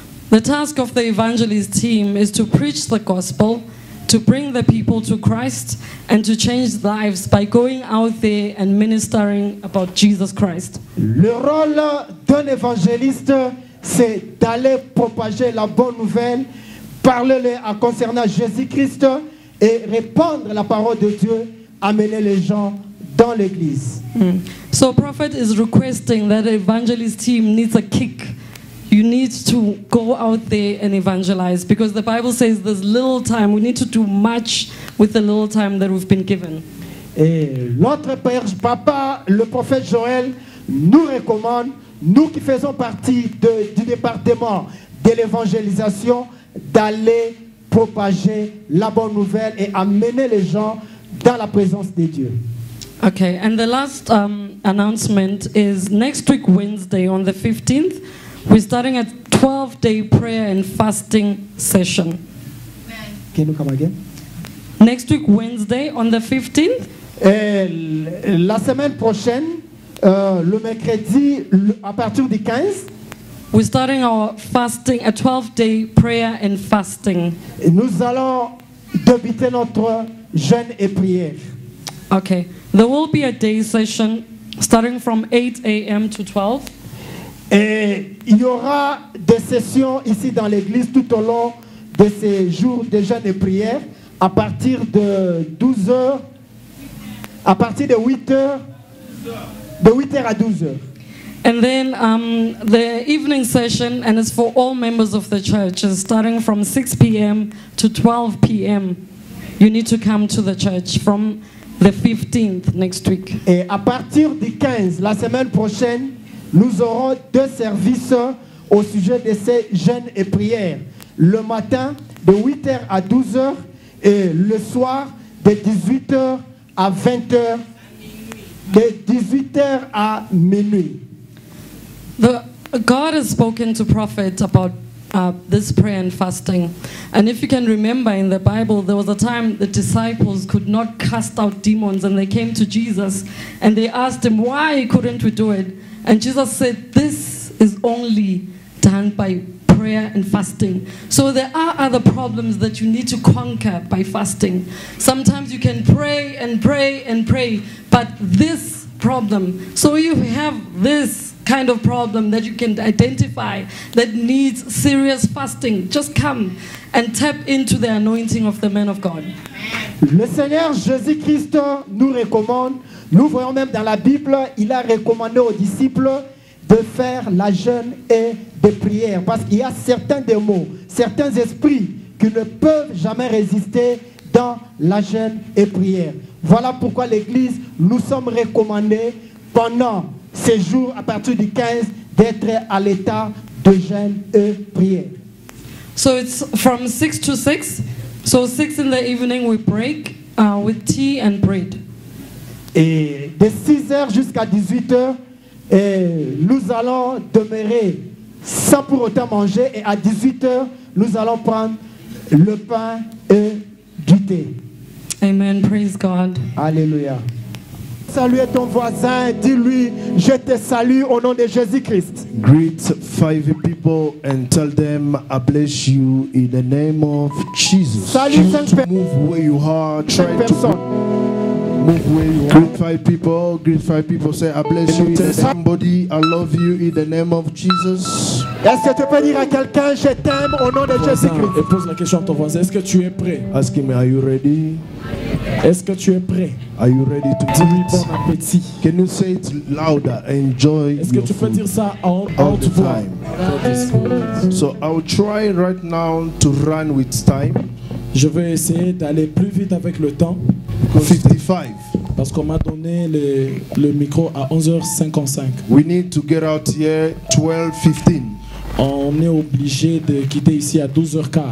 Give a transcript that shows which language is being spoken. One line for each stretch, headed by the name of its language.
English: The task of the evangelist team is to preach the gospel, to bring the people to Christ, and to change lives by going out there and ministering about Jesus Christ.
French: Le rôle d'un évangéliste, c'est d'aller propager la bonne nouvelle, parler-le à concernant Jésus-Christ et répandre la parole de Dieu, amener les gens dans l'église.
English: So prophet is requesting that evangelist team needs a kick. You need to go out there and evangelize, because the Bible says there's little time. We need to do much with the little time that we've been given.
French: Et notre père papa, le prophète Joël, nous recommande, nous qui faisons partie du département de l'évangélisation, d'aller propager la bonne nouvelle et amener les gens dans la présence de Dieu.
English: Okay, and the last announcement is next week Wednesday on the 15th, we're starting a 12-day prayer and fasting session. Can you come again? Next week Wednesday on the 15th.
French: La semaine prochaine, le mercredi, à partir du 15.
English: We're starting our fasting, a 12-day prayer and fasting.
French: Et nous allons débuter notre jeûne et prière.
English: Okay. There will be a day session starting from 8 a.m. to 12.
French: Et il y aura des sessions ici dans l'église tout au long de ces jours de jeûne et prière à partir de 12 heures, à partir de 8 heures, de 8 heures à 12 heures.
English: And then the evening session, and it's for all members of the church, is starting from 6 p.m. to 12 p.m. You need to come to the church from the 15th next week.
French: Et à partir du 15, la semaine prochaine, nous aurons deux services au sujet de ces jeûnes et prières. Le matin de 8h à 12h et le soir de 18h à 20h, de 18h à minuit.
English: God has spoken to prophets about this prayer and fasting. And if you can remember in the Bible, there was a time the disciples could not cast out demons and they came to Jesus and they asked him, why couldn't we do it? And Jesus said, this is only done by prayer and fasting. So there are other problems that you need to conquer by fasting. Sometimes you can pray and pray and pray, but this problem, so you have this kind of problem that you can identify that needs serious fasting, just come and tap into the anointing of the man of God.
French: Le Seigneur Jésus Christ nous recommande, nous voyons même dans la Bible, il a recommandé aux disciples de faire la jeûne et de prière, parce qu'il y a certains démons, certains esprits qui ne peuvent jamais résister dans la jeûne et prière. Voilà pourquoi l'église nous sommes recommandés pendant ces jours, à partir du 15, d'être à l'état de jeûne et prière.
English: So it's from 6 to 6. So 6 in the evening, we break with tea and bread.
French: Et de 6h jusqu'à 18h, nous allons demeurer sans pour autant manger. Et à 18h, nous allons prendre le pain et du thé.
English: Amen. Praise God.
French: Alléluia. Salue ton voisin, dis-lui, je te salue au nom de Jésus-Christ.
English: Greet five people and tell them, I bless you in the name of Jesus.
French: Salut cinq personnes.
English: Move where you are. Try
French: personne.
English: To move where you are. Greet five people. Greet five people. Say, I bless you. Tell somebody, I love you in the name of Jesus.
French: Est-ce que tu peux dire à quelqu'un, je t'aime au nom de Jésus-Christ? Et pose la question à ton voisin, est-ce que tu es prêt?
English: Ask him, are you ready?
French: Est-ce que tu es prêt?
English: Are you ready to
French: dis-lui bon appétit.
English: Can you say it louder? Enjoy.
French: Est-ce que tu peux dire ça en haute voix?
English: So I'll try right now to run with time.
French: Je vais essayer d'aller plus vite avec le temps. 55. Parce qu'on m'a donné le micro à 11h55.
English: We need to get out here 12:15.
French: On est obligé de quitter ici à 12h15.